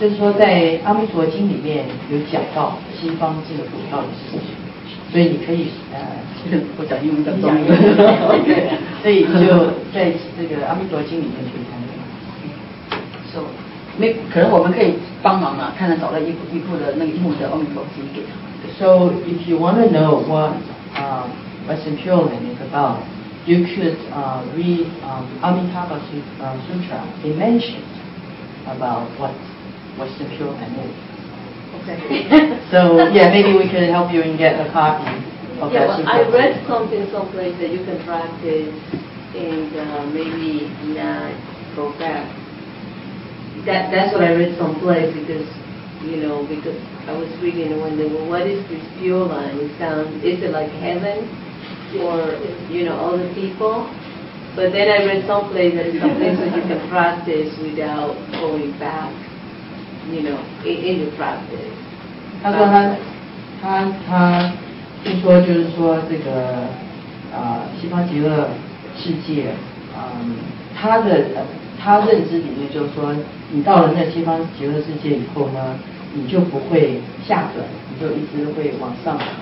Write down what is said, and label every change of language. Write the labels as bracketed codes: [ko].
[zh] 就是说在阿弥陀经里面有讲到西方净土到底是什么，所以你可以我讲英文讲中文所以就在这个阿弥陀经里面去看看。 So, 可能我们可以帮忙啊，看能找到一部的那个英文的阿弥陀经给他。 [en] So if you want to know what Western Pure Land is about, you could read Amitabha Sutra. It mentioned about what's the Pure Land is. Okay. So, yeah, maybe we can help you and get a copy of that. Yeah, well, I read something someplace that you can practice and maybe not go back. That's what I read someplace because, you know, because I was reading and wondering, well, what is this Pure Land? It sounds, is it like heaven for, you know, all the people? But then I read someplace that it's someplace that you can practice without going back. You know, in your practice. [zh] 他听说就是说这个西方极乐世界，他认知里面就是说，你到了那西方极乐世界以后呢，你就不会下转，你就一直会往上。